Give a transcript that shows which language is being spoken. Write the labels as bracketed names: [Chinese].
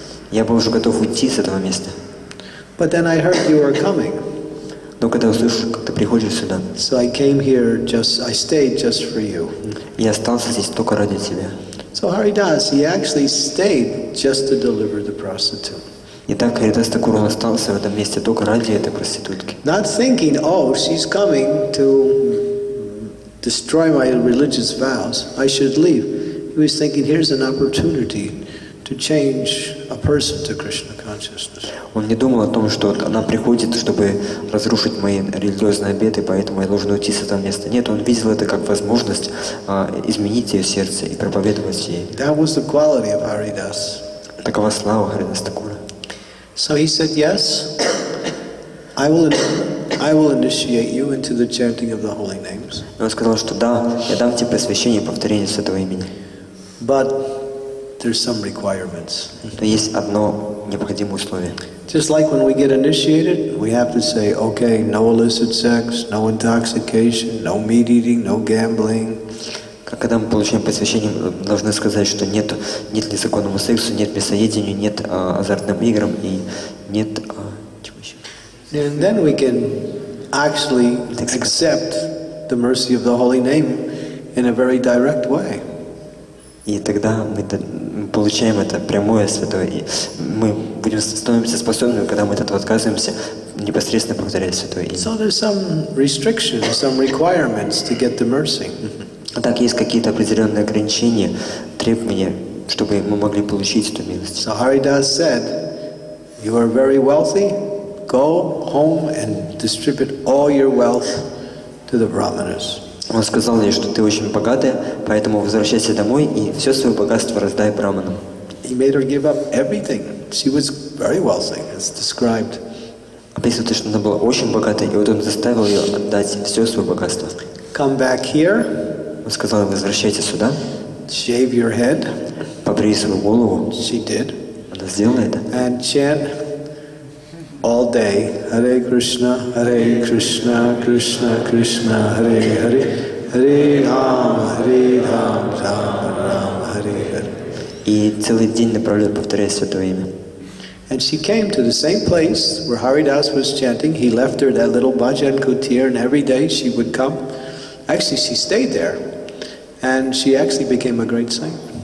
[Russian] Я был уже готов уйти с этого места. [English] But then I heard you were coming. [Russian] Но когда услышал, как ты приходишь сюда, [English] so I came here just, I stayed just for you. [Russian] Я остался здесь только ради тебя. [English] So Haridas, he actually stayed just to deliver the prostitute. [Russian] Итак, Харидас Такур остался в этом месте только ради этой проститутки. [English] Not thinking, oh, she's coming to destroy my religious vows. I should leave. He was thinking, here's an opportunity to change a person to Krishna consciousness. [Russian] Он не думал о том, что она приходит, чтобы разрушить мои религиозные обеты, поэтому я должен уйти с этого места. Нет, он видел это как возможность изменить ее сердце и проповедовать ей. [English] That was the quality of Haridas. [Russian] Такова слава Харидас Такура. [English] So he said, yes, I will initiate you into the chanting of the holy names. [Russian] Он сказал, что да, я дам тебе посвящение повторения святого имени. [English] But there's some requirements. [Russian] Но есть одно необходимое условие. [English] Just like when we get initiated, we have to say, okay, no illicit sex, no intoxication, no meat eating, no gambling. [Russian] Как когда мы получаем посвящение, должны сказать, что нет незаконного секса, нет мясоедения, нет азартным играм и нет чего еще. [English] And then we can actually accept the mercy of the holy name in a very direct way. [Russian] И тогда мы получаем это прямое святое. И мы будем становимся способными, когда мы от этого отказываемся, непосредственно повторять святое имя. [English] So there's some restrictions, some requirements to get the mercy. [Russian] Так, есть какие-то определенные ограничения, требования, чтобы мы могли получить эту милость. [English] So Haridas said, you are very wealthy, go home and distribute all your wealth to the brahmanas. [Russian] Он сказал ей, что ты очень богатая, поэтому возвращайся домой и все свое богатство раздай браманам. [English] He made her give up everything. She was very wealthy, as described. [Russian] Описывает, что она была очень богатой, и вот он заставил ее отдать все свое богатство. [English] Come back here. [Russian] Он сказал, возвращайся сюда. [English] Shave your head. [Russian] Побрей свою голову. [English] She did. [Russian] Она сделала это. [English] And chant all day. [Sanskrit] Hare Krishna, Hare Krishna, Krishna Krishna, Hare Hare, Hare Ram, Hare Ram, Ram Ram, Hare Hare. [Russian] И целый день напролет повторяя святое имя. [English] And she came to the same place where Haridas was chanting. He left her that little bhajan kutir, and every day she would come. Actually, she stayed there, and she actually became a great saint.